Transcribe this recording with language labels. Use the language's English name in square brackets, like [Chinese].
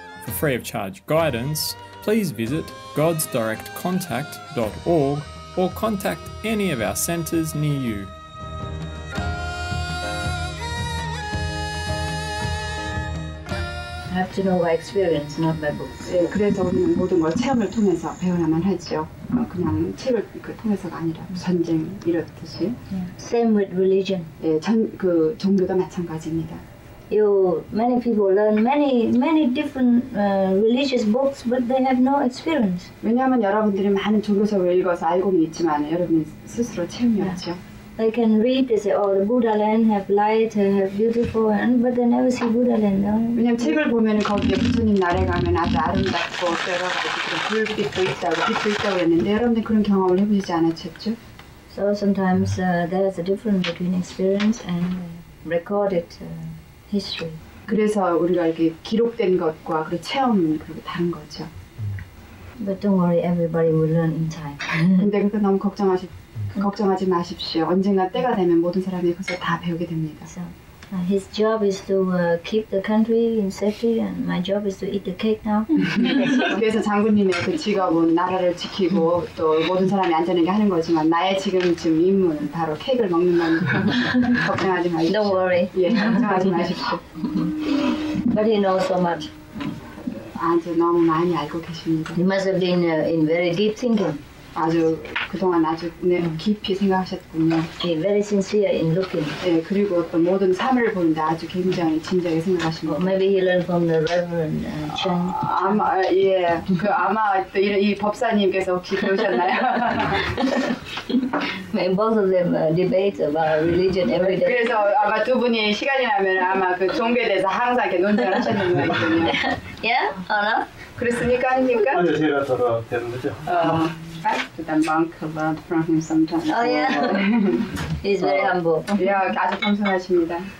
[English] For free of charge guidance, please visit godsdirectcontact.org or contact any of our centers near you. I have to know by experience, not by books. [Korean] 예, 그래서 우리는 모든 걸 체험을 통해서 배워야만 하죠. 그냥 책을 그 통해서가 아니라 전쟁 이렇듯이. [English] Same with religion. [Korean] 예, 그 종교도 마찬가지입니다. [English] You, many people learn many, many different religious books, but they have no experience. [Korean] 왜냐하면 여러분들이 많은 종교서를 읽어서 알고는 있지만 여러분 스스로 체험이 없죠. [English] I can read, they say, oh, the Buddha land have light, have beautiful, and, but they never see Buddha land, no? [Korean] 왜냐면 책을 보면 거기에 부처님 나라에 가면 아주 아름답고 여러 가지 그런 불빛도 있다고, 빛도 있다고 했는데 여러분들 그런 경험을 해보시지 않았죠? [English] So sometimes there's a difference between experience and recorded history. [Korean] 그래서 우리가 이렇게 기록된 것과 그 체험은 그렇게 다른 거죠. [English] But don't worry, everybody will learn in time. [Korean] 근데 그렇게 너무 걱정하지 마십시오. 언젠가 때가 되면 모든 사람이 그것을 다 배우게 됩니다. [English] So, his job is to keep the country in safety, and my job is to eat the cake now. [Korean] 그래서 장군님의 그 직업은 나라를 지키고 또 모든 사람이 안전하게 하는 거지만 나의 지금 임무는 바로 케이크를 먹는 겁니다. 걱정하지 마십시오. [English] Don't worry. [Korean] 예, 걱정하지 마십시오. [English] But he knows so much. [Korean] 아주 너무 많이 알고 계십니다. [English] He must have been in very deep thinking. [Korean] 아주 그동안 아주 네, 깊이 생각하셨군요. [English] He very sincere in looking. [Korean] 네, 그리고 또 모든 삶을 보는데 아주 굉장히 진지하게 생각하신 거. [English] Maybe he learned from the Reverend Chen. [Korean] 아마 예, 그 아마 또 이 법사님께서 혹시 배우셨나요? [English] Maybe both of them debate about religion every day. [Korean] 그래서 아마 두 분이 시간이 나면 아마 그 종교에 대해서 항상 이렇게 논쟁을 하셨는 거 같거든요. Yeah, 알아? 그랬습니까, 아닙니까? 아니, 제가 서로 되는 거죠. [English] To that monk about from him sometimes. Oh yeah, he's very humble. [Korean] Yeah, 아주 겸손하십니다.